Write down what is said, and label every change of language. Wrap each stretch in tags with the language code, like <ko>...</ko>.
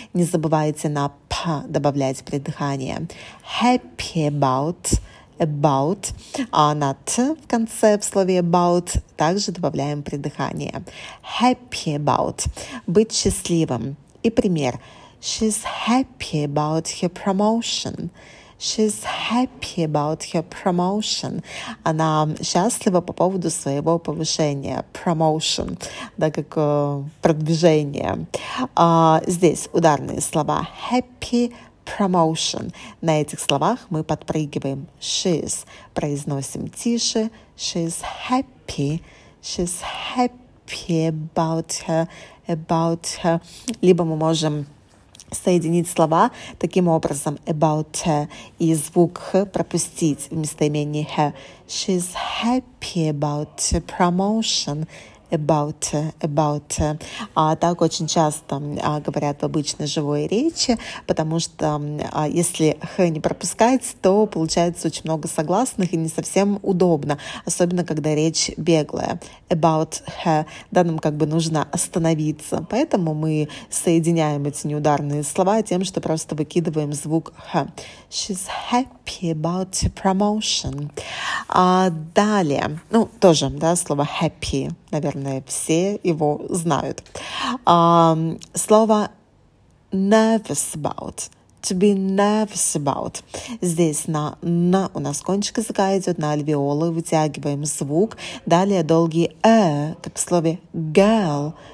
<ru>Не забывайте на «п» добавлять придыхание.</ru> <en>Happy about. About.</en> <ru>А на «т» в конце, в слове about, также добавляем придыхание. Happy about. Быть счастливым. И пример.</ru> <en>She's happy about her promotion. She's happy about her promotion.</en> <ru>Она счастлива по поводу своего повышения. Promotion, да, как продвижение. Здесь ударные слова. Happy promotion. На этих словах мы подпрыгиваем.</ru> <en>She's.</en> <ru>Произносим тише.</ru> <en>She's happy. She's happy about her.</en> <ru>Либо мы можем соединить слова таким образом about her и звук h пропустить в местоимении her.</ru> <en>She's happy about her promotion. About her.</en> <ru>Так очень часто говорят в обычной живой речи, потому что если х не пропускать, то получается очень много согласных и не совсем удобно, особенно когда речь беглая.</ru> <en>About her.</en> <ru>Да, нам как бы нужно остановиться. Поэтому мы соединяем эти неударные слова тем, что просто выкидываем звук х.</ru> <en>She's happy about her promotion.</en> <ru>Далее, ну, тоже, да, слово happy, наверное, все его знают. Слово</ru> <en>nervous about. To be nervous about.</en> <ru>Здесь на у нас кончик языка идет, на альвеолы вытягиваем звук. Далее долгий как в слове girl.</ru>